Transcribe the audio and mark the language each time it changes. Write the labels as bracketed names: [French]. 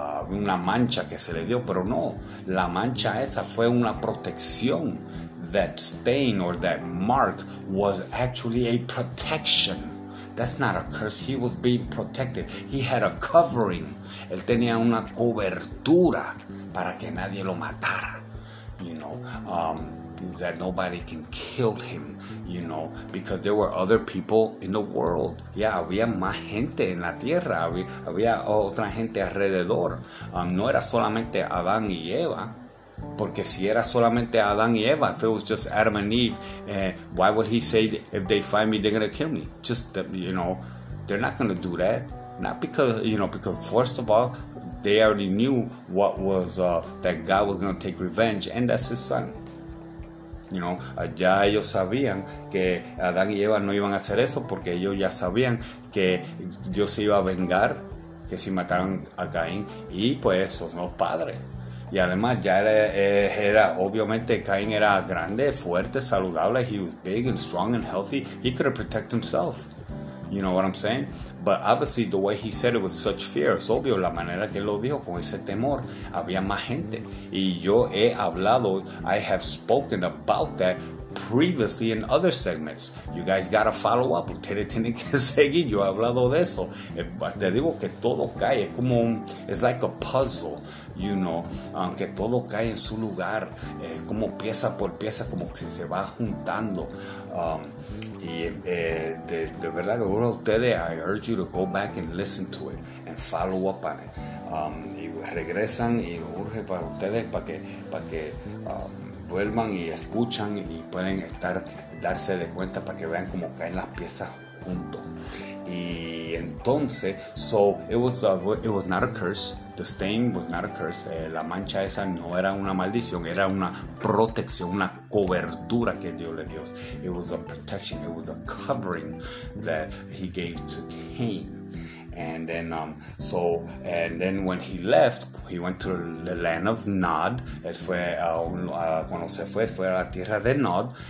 [Spanish] Una mancha que se le dio, pero no, la mancha esa fue una protección. [English] That stain or that mark was actually a protection. That's not a curse. He was being protected. He had a covering. [Spanish] Él tenía una cobertura para que nadie lo matara. [English] You know, that nobody can kill him, you know, because there were other people in the world. [Spanish] Yeah, había más gente en la tierra, había otra gente alrededor. No era solamente Adán y Eva, [English] porque si era solamente Adán y Eva, if it was just Adam and Eve, why would he say, if they find me, they're going to kill me? Just, you know, they're not going to do that. Not because, you know, because first of all, they already knew what was, that God was going to take revenge, and that's his son. [Spanish] You know, ya ellos sabían que Adán y Eva no iban a hacer eso porque ellos ya sabían que Dios se iba a vengar, que si mataron a Caín, y pues esos no padres. Y además ya era obviamente Caín era grande, fuerte, saludable. [English] He was big and strong and healthy. He could have protected himself. You know what I'm saying? But obviously the way he said it was such fear. [Spanish] Es obvio la manera que él lo dijo con ese temor. Había más gente. Y yo he hablado, I have spoken about that previously in other segments. [English] You guys gotta follow up. [Spanish] Ustedes tienen que seguir. Yo he hablado de eso. Te digo que todo cae. Es como un, [English] it's like a puzzle. [Spanish] You know, aunque todo cae en su lugar, como pieza por pieza, como que se va juntando. De verdad, uno de ustedes, [English] I urge you to go back and listen to it and follow up on it. [Spanish] Y regresan y urge para ustedes para que vuelvan y escuchan y pueden estar darse de cuenta para que vean cómo caen las piezas juntos. Y entonces, [English] so it was not a curse. The stain was not a curse. [Spanish] La mancha esa no era una maldición, era una protección, una cobertura que Dios le dio. [English] It was a protection, it was a covering that he gave to Cain. And then, when he left, he went to the land of Nod. [Spanish] Él fue a un, cuando se fue, fue a la tierra de Nod.